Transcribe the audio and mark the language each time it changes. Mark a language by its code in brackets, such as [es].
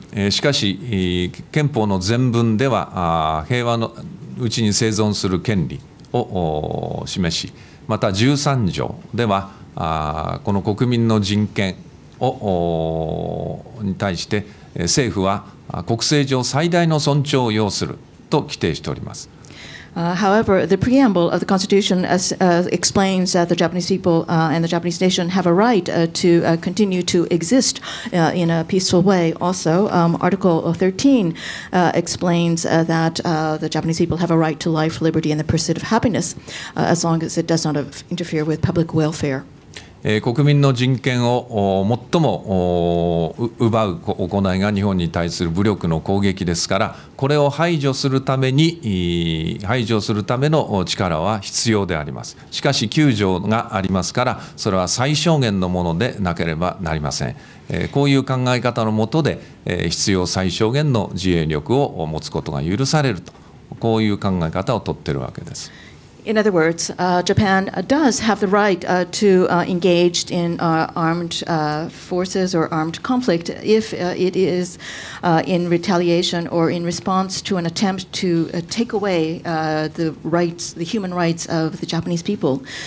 [ja] しかし、憲法の全文では、平和のうちに生存する権利を示し、また13条では、この国民の人権をに対して政府は国政上最大の尊重を要すると規定しております。 [en] However, the preamble of the Constitution explains that the Japanese people and the Japanese nation have a right to continue to exist in a peaceful way. Also, Article 13 explains that the Japanese people have a right to life, liberty, and the pursuit of happiness as long as it does not interfere with public welfare. [ja] 国民の人権を最も奪う行いが日本に対する武力の攻撃ですから、これを排除するために、排除するための力は必要であります。しかし9条がありますから、それは最小限のものでなければなりません。こういう考え方のもとで、必要最小限の自衛力を持つことが許されると、こういう考え方を取っているわけです。 [en] In other words, Japan does have the right to engage in armed forces or armed conflict if it is in retaliation or in response to an attempt to take away the rights, the human rights of the Japanese people.